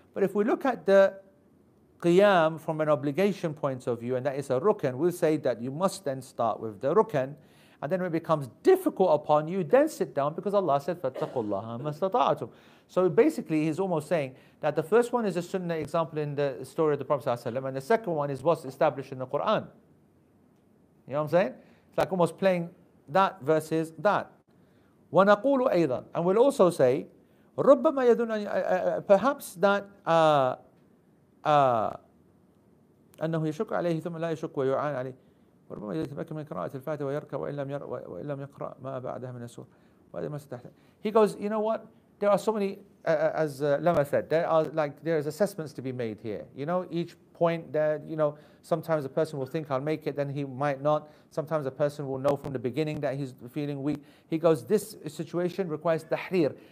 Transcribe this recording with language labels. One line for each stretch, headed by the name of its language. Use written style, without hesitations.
English: But if we look at the qiyam from an obligation point of view, and that is a rukun, we'll say that you must then start with the rukun, and then when it becomes difficult upon you, then sit down, because Allah said,
Arabic: فَاتَّقُوا اللَّهَ مَا اسْتَطَعْتُمْ.
English: So basically, he's almost saying that the first one is a sunnah example in the story of the Prophet ﷺ, and the second one is what's established in the Quran. You know what I'm saying? It's like almost playing that versus that.
Arabic: وَنَقُولُ أَيْضًا.
English: And we'll also say, perhaps that
Arabic: أنه يشك عليه ثم لا يشك ويعان عليه ربما يتبكى من قراءة الفاتحة ويركع وإن لم يقرأ ما بعدها من السورة وهذا ما ستحدث.
English: He goes, you know what? There are so many, as Lama said, there is assessments to be made here. You know, each point that, you know, sometimes a person will think I'll make it, then he might not. Sometimes a person will know from the beginning that he's feeling weak. He goes, this situation requires tahrir.